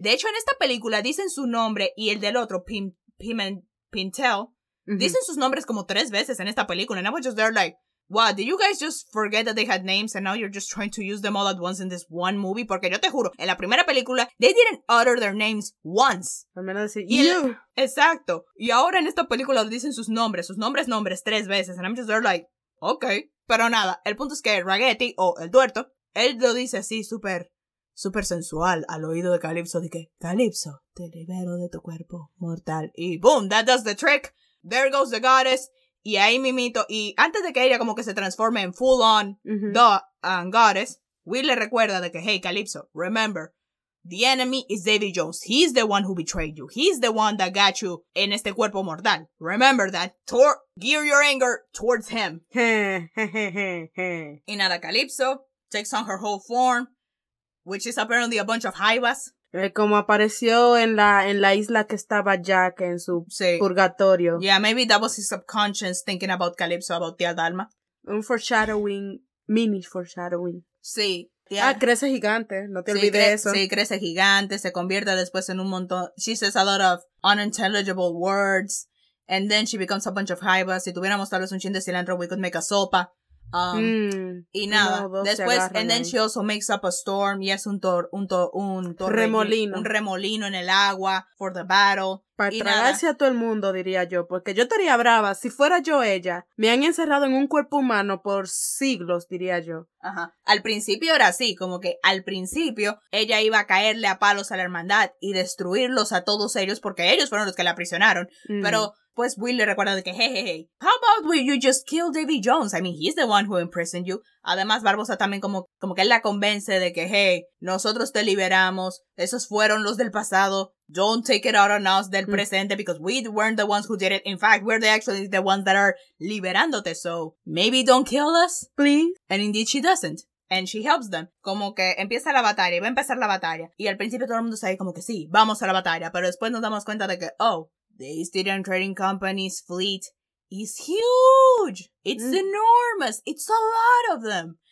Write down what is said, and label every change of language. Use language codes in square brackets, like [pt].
[es] De hecho, en esta película dicen su nombre y el del otro, Pimentel. Mm-hmm. Dicen sus nombres como 3 veces en esta película. [en] And I was just there like, what, did you guys just forget that they had names and now you're just trying to use them all at once in this one movie? [es] Porque yo te juro, en la primera película, [en] they didn't utter their names once. [es] Al menos decir, you. Exacto. Y ahora en esta película dicen sus nombres 3 veces. [en] And I'm just there like, okay. [es] Pero nada, el punto es que Raghetti, o el tuerto, él lo dice así súper, súper sensual al oído de Calypso, de que, Calypso, te libero de tu cuerpo mortal. [en] Y boom, that does the trick. There goes the goddess. [es] Y ahí mimito. Y antes de que ella como que se transforme en [en] full on goddess, [es] Will le recuerda de que, [en] hey, Calypso, remember, the enemy is Davy Jones. He's the one who betrayed you. He's the one that got you [es] en este cuerpo mortal. [en] Remember that. Gear your anger towards him. [es] Y nada, [en] Calypso takes on her whole form, which is apparently a bunch of jaivas. [es] Como apareció en la isla que estaba Jack en su purgatorio. [en] Yeah, maybe that was his subconscious thinking about Calypso, about Tia Dalma. [es] Un foreshadowing, mini foreshadowing. Sí. Tía. Ah, crece gigante, no te olvides eso. Sí, crece gigante, se convierte después en un montón. [en] She says a lot of unintelligible words, and then she becomes a bunch of jaivas. [es] Si tuviéramos tal vez un chin de cilantro, [en] we could make a [es] sopa. Y nada, no, después, [en] and then she also makes up a storm, [es] y es un remolino en el agua, [en] for the battle, [es] para y tragarse nada. A todo el mundo, diría yo, porque yo estaría brava, si fuera yo ella, me han encerrado en un cuerpo humano por siglos, diría yo. Ajá, al principio era así, como que al principio, ella iba a caerle a palos a la hermandad, y destruirlos a todos ellos, porque ellos fueron los que la aprisionaron, pero... Pues Will le recuerda de que, [en] hey, how about you just kill Davy Jones? I mean, he's the one who imprisoned you. [es] Además, Barbosa también como que él la convence de que, hey, nosotros te liberamos. Esos fueron los del pasado. [en] Don't take it out on us [es] del presente [en] because we weren't the ones who did it. In fact, we're actually the ones that are liberándote. So maybe don't kill us, please. And indeed she doesn't. And she helps them. [es] Como que empieza la batalla, va a empezar la batalla. Y al principio todo el mundo está ahí como que sí, vamos a la batalla. Pero después nos damos cuenta de que, oh, [en] the East Indian Trading Company's fleet is huge. It's enormous. It's a lot of them.